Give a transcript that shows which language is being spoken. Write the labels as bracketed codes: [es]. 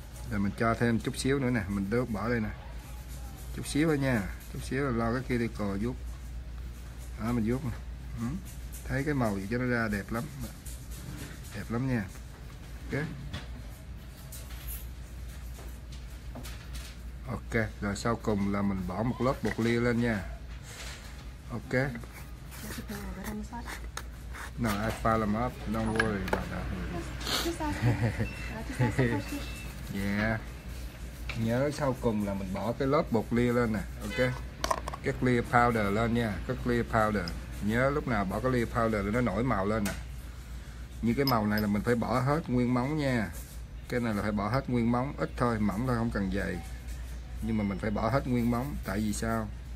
[vi] Rồi mình cho thêm chút xíu nữa nè, mình đốt bỏ đây nè. Chút xíu thôi nha, chút xíu là lo cái kia đi cò vuốt. Đó, mình vuốt nè. Thấy cái màu gì cho nó ra đẹp lắm. Đẹp lắm nha. Ok. Ok, rồi sau cùng là mình bỏ một lớp bột lia lên nha. Ok. [en] No, I file them up, don't worry about that. Yeah. [vi] Nhớ sau cùng là mình bỏ cái lớp bột clear lên nè. Ok. Cái clear powder lên nha. Cái clear powder. Nhớ lúc nào bỏ cái clear powder là nó nổi màu lên nè. Như cái màu này là mình phải bỏ hết nguyên móng nha. Cái này là phải bỏ hết nguyên móng. Ít thôi, mỏng thôi, không cần dày. Nhưng mà mình phải bỏ hết nguyên móng. Tại vì sao?